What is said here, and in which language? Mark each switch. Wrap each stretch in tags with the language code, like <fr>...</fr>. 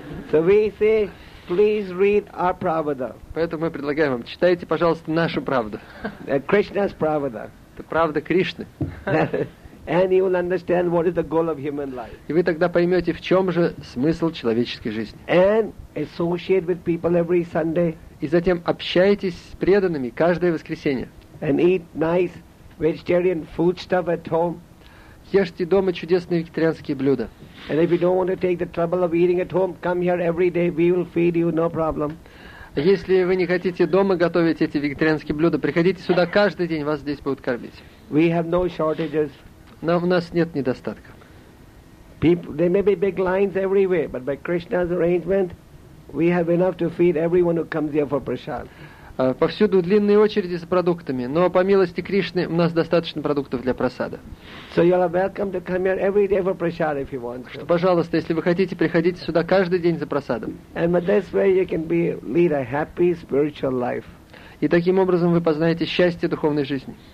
<en>So we say, please read our Pravada.</en> <ru>Поэтому мы предлагаем вам, читайте, пожалуйста, нашу правду.</ru> <en>Krishna's Pravada.</en> <ru>Это правда Кришны.</ru> <en>And you will understand what is the goal of human life.</en> <ru>И вы тогда поймете, в чем же смысл человеческой жизни.</ru> <en>And associate with people every Sunday.</en> <ru>И затем общайтесь с преданными каждое воскресенье.</ru> <en>And eat nice vegetarian food stuff at home.</en> <ru>Ешьте дома чудесные вегетарианские блюда.</ru> <en>And if you don't want to take the trouble of eating at home, come here every day. We will feed you, no problem.</en> <ru>Если вы не хотите дома готовить эти вегетарианские блюда, приходите сюда каждый день, вас здесь будут кормить.</ru> <en>We have no shortages.</en> <ru>Но у нас нет недостатка.</ru> <en>People, there may be big lines everywhere, but by Krishna's arrangement, we have enough to feed everyone who comes here for prasad.</en> <ru>Повсюду длинные очереди за продуктами, но по милости Кришны у нас достаточно продуктов для прасада.</ru> <en>So you are welcome to come here every day for prasad if you want.</en> <ru>Что, пожалуйста, если вы хотите, приходите сюда каждый день за прасадом.</ru> <en>And by this way you can be lead a happy spiritual life.</en> <ru>И таким образом вы познаете счастье духовной жизни.</ru>